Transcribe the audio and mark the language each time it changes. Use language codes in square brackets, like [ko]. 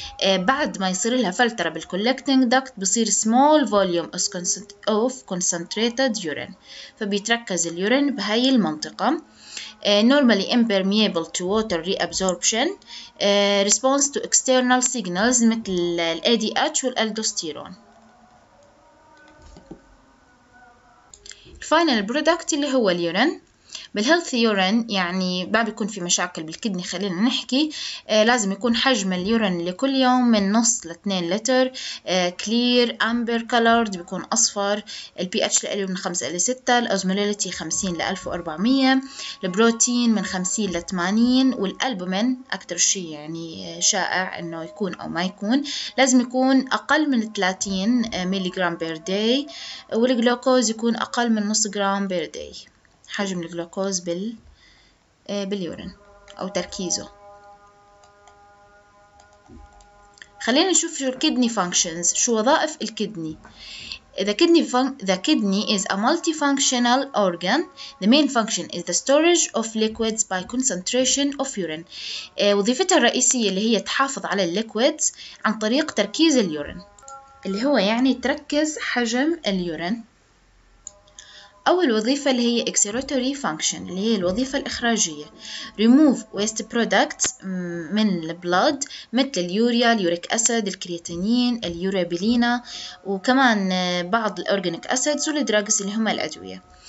[ar] بعد ما يصير لها فلتره بالكولكتنج داكت بصير [en] small volume of concentrated urine, [ar] فبيتركز اليورين بهاي المنطقه. [en] Normally impermeable to water reabsorption, response to external signals [ar] مثل ال ADH والالدوستيرون. [en] Final product [ar] اللي هو اليورين. بالhealthy urine يعني ما بيكون في مشاكل بالكدني، خلينا نحكي لازم يكون حجم اليورين لكل يوم من نص لاتنين لتر، [en] clear amber colored [ar] بيكون أصفر، ال pH لقلي من 5 إلى 6، الأزمولاليتي 50 لـ 1400، البروتين من 50 لـ 80، والألبومين أكتر شيء يعني شائع إنه يكون أو ما يكون لازم يكون أقل من 30 ميلي جرام بير داي، والجلوكوز يكون أقل من 0.5 جرام بير داي، حجم الجلوكوز باليورين او تركيزه. خلينا نشوف شو الكيدني فانكشنز، شو وظائف الكيدني. [en] The kidney is a multifunctional organ. The main function is the storage of liquids by concentration of urine. [ar] وظيفتها الرئيسية اللي هي تحافظ على الليكويدز عن طريق تركيز اليورين، اللي هو يعني تركز حجم اليورين. أول وظيفة اللي هي exeratory function اللي هي الوظيفة الإخراجية، [en] remove waste products [ar] من blood مثل اليوريا، اليوريك أسيد، الكرياتينين، اليوريبيلينا، وكمان بعض الأورجانيك أسيد والدراجس اللي هما الأدوية.